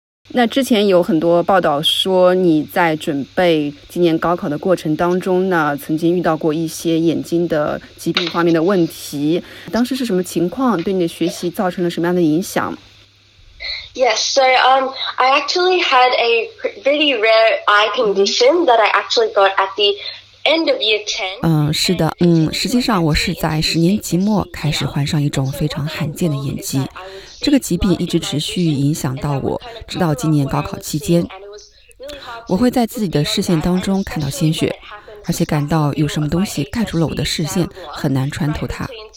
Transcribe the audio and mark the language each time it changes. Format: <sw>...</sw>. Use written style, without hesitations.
<zh>那之前有很多报道说你在准备今年高考的过程当中呢，曾经遇到过一些眼睛的疾病方面的问题，当时是什么情况，对你的学习造成了什么样的影响？</zh> <en>Yes, so I actually had a really rare eye condition that I actually got at the end of year 10.</en> <zh>是的，实际上我是在十年期末开始患上一种非常罕见的眼疾。这个疾病一直持续影响到我，直到今年高考期间。我会在自己的视线当中看到鲜血，而且感到有什么东西盖住了我的视线，很难穿透它。</zh>